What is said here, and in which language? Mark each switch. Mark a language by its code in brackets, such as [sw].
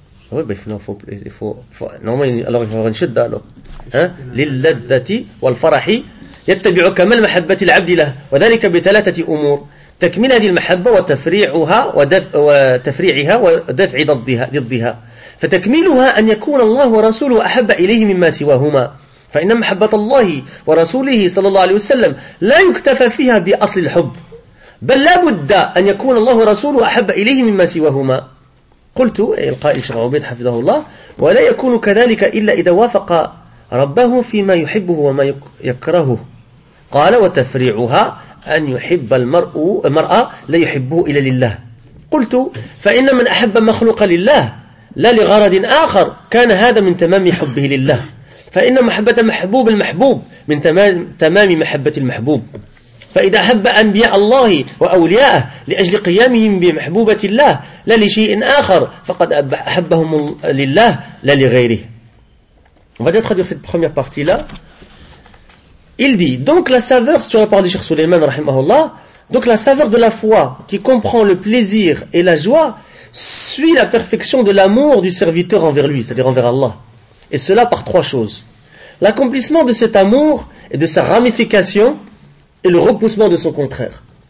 [fr] Oui, ben non, il faut normalement, alors il faut avoir une chida alors. Hein? [ar] لِلَّذَّةِ وَالْفَرَحِ يَتَّبِعُ كَمَلْ مَحَبَّةِ الْعَبْدِ لَهُ وَذَلِكَ بِثَلَاثَةِ أُمُورِ تَكْمِلَ هَذِهِ الْمَحَبَّةِ وَتَفْرِيعِهَا وَدَفْعِ ضِدِّهَا فَتَكْمِلُهَا أَنْ يَكُونَ اللَّهُ وَرَسُولُهُ أَحَبَّ إِلَيْهِ مِمَّا سِوَاهُمَا فَإِنَّ مَحَبَّةَ اللَّهِ وَرَسُولِهِ صَلَّى اللَّهُ عَلَيْهِ وَسَلَّمَ لَا يُكْتَفَى فِيهَا بِأَصْلِ الْحُبِّ بَلْ لَا بُدَّ أَنْ يَكُونَ اللَّهُ وَرَسُولُهُ أَحَبَّ إِلَيْهِ مِمَّا سِوَاهُمَا قلت القائل شيخ عبيد حفظه الله ولا يكون كذلك إلا إذا وافق ربه فيما يحبه وما يكرهه قال وتفريعها أن يحب المرأة لا يحبه إلا لله قلت فإن من أحب مخلوق لله لا لغرض آخر كان هذا من تمام حبه لله فإن محبة محبوب المحبوب من تمام محبة المحبوب فإذا أحب أنبياء الله وأولياءه لأجل قيامهم بمحبوبة الله لا لشيء آخر فقد أحبهم لله لا لغيره. [fr] On va déjà traduire cette première partie là. Il dit donc la saveur, sur la parole de Cheikh Souleyman rahimahullah, donc la saveur de la foi qui comprend le plaisir et la joie suit la perfection de l'amour du serviteur envers lui, c'est-à-dire envers Allah. Et cela par trois choses. L'accomplissement de cet amour et de sa ramification et le repoussement de son contraire.